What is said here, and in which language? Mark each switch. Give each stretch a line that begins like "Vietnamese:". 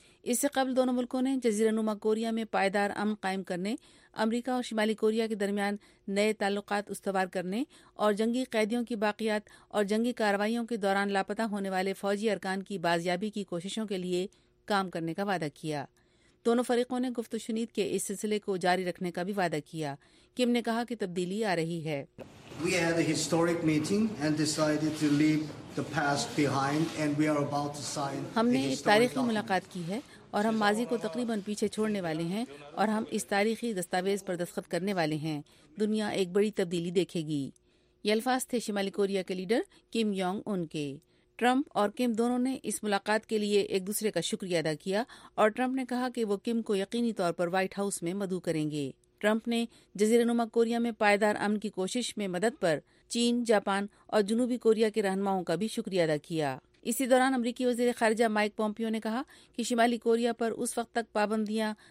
Urdu: اس سے قبل دونوں ملکوں نے جزیرہ نما کوریا میں پائیدار امن قائم کرنے، امریکہ اور شمالی کوریا کے درمیان نئے تعلقات استوار کرنے اور جنگی قیدیوں کی باقیات اور جنگی کارروائیوں کے دوران لاپتہ ہونے والے فوجی ارکان کی بازیابی کی کوششوں کے لیے کام کرنے کا وعدہ کیا۔ دونوں فریقوں نے گفت و شنید کے اس سلسلے کو جاری رکھنے کا بھی وعدہ کیا۔ کم نے کہا کہ تبدیلی آ رہی ہے۔
English: We had a historic meeting and decided to leave the past behind and we are about to sign.
Urdu: ہم نے ایک تاریخی ملاقات کی ہے اور ہم ماضی کو تقریباً پیچھے چھوڑنے والے ہیں، اور ہم اس تاریخی دستاویز پر دستخط کرنے والے ہیں۔ دنیا ایک بڑی تبدیلی دیکھے گی۔ یہ الفاظ تھے شمالی کوریا کے لیڈر کم جونگ ان کے۔ ٹرمپ اور کم دونوں نے اس ملاقات کے لیے ایک دوسرے کا شکریہ ادا کیا، اور ٹرمپ نے کہا کہ وہ کم کو یقینی طور پر وائٹ ہاؤس میں مدعو کریں گے۔ ٹرمپ نے جزیرہ نما کوریا میں پائیدار امن کی کوشش میں مدد پر چین، جاپان اور جنوبی کوریا کے رہنماؤں کا بھی شکریہ ادا کیا۔ اسی دوران امریکی وزیر خارجہ مائیک پومپیو نے کہا کہ شمالی کوریا پر اس وقت تک پابندیاں